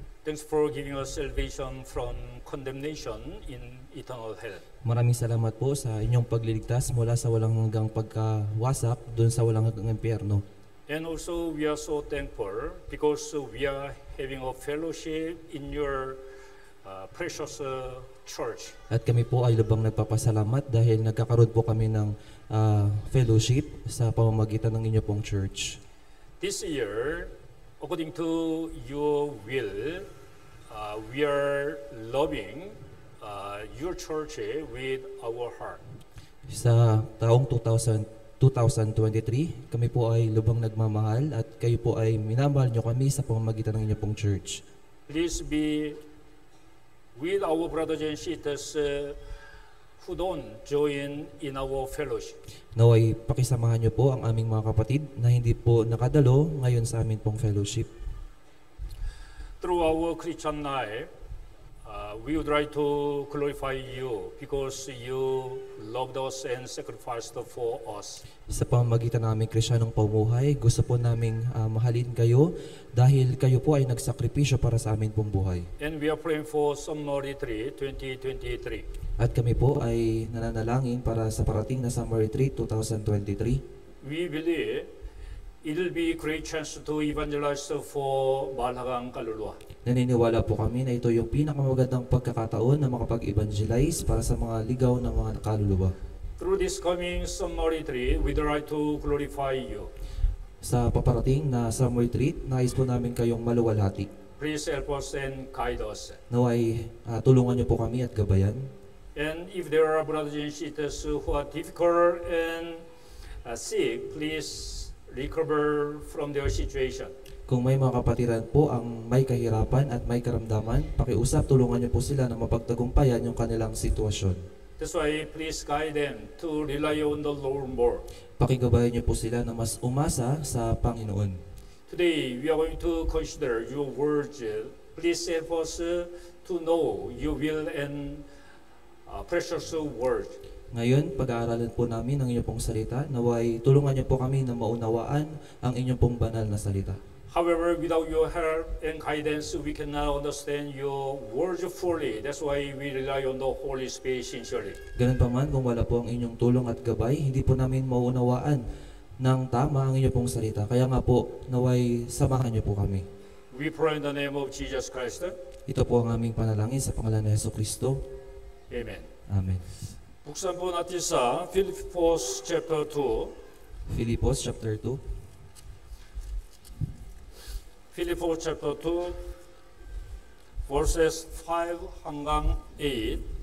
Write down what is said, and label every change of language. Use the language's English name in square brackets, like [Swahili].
[English] Thanks for giving us salvation from condemnation in eternal hell. [Filipino] Maraming salamat po sa inyong pagliligtas mula sa walang hanggang pagkawasak doon sa walang hanggang impyerno. [English] And also we are so thankful because we are having a fellowship in your precious church. [Filipino] At kami po ay lubhang nagpapasalamat dahil nagkakaroon po kami ng fellowship sa pamamagitan ng inyo pong church. [English] This year, according to your will, we are loving your church with our heart. [Filipino] Sa taong 2023, kami po ay lubhang nagmamahal at kayo po ay minamahal nyo kami sa pamamagitan ng inyo pong church. [English] Please be with our brothers and sisters who don't join in our fellowship. [Filipino] Naway, pakisamahan nyo po ang aming mga kapatid na hindi po nakadalo ngayon sa amin pong fellowship. [English] Through our Christian life, we would like to glorify you because you loved us and sacrificed for us. [Filipino] Sa pamamagitan naming Kristiyanong pamuhay, gusto po naming mahalin kayo dahil kayo po ay nagsakripisyo para sa amin pong buhay. [English] And we are praying for Summer Retreat 2023. [Filipino] At kami po ay nananalangin para sa parating na Summer Retreat 2023. [English] We believe it will be a great chance to evangelize for Balagang Kaluluwa. [Filipino] Naniniwala po kami na ito yung pinakamagandang pagkakataon na makapag-evangelize para sa mga ligaw ng mga kaluluwa. [English] Through this coming summer retreat, we'd like to glorify you. [Filipino] Sa paparating na summer retreat, nais po namin kayong maluwalhati. [English] Please help us and guide us. [Filipino] Naway, tulungan niyo po kami at gabayan. [English] And if there are brothers and sisters who are difficult and sick, please recover from their situation. [Filipino] Kung may mga kapatiran po ang may kahirapan at may karamdaman, pakiusap, tulungan niyo po sila na mapagtagumpayan yung kanilang sitwasyon. [English] That's why please guide them to rely on the Lord more. [Filipino] Pakigabayan niyo po sila na mas umasa sa Panginoon. [English] Today, we are going to consider your words. Please help us to know your will and precious words. [Filipino] Ngayon, pag-aaralan po namin ang inyong pong salita. Naway, tulungan niyo po kami na maunawaan ang inyong pong banal na salita. [English] However, without your help and guidance, we cannot understand your words fully. That's why we rely on the Holy Spirit sincerely. [Filipino] Ganun pa man, kung wala po ang inyong tulong at gabay, hindi po namin maunawaan ng tama ang inyong pong salita. Kaya nga po, naway, samahan niyo po kami. [English] We pray in the name of Jesus Christ. [Filipino] Ito po ang aming panalangin sa pangalan ni Jesucristo. [English] Amen. Amen. [Filipino] Buksan po natin sa Philippos chapter 2. Philippos chapter 2. Philippos chapter 2, verses 5 hanggang 8.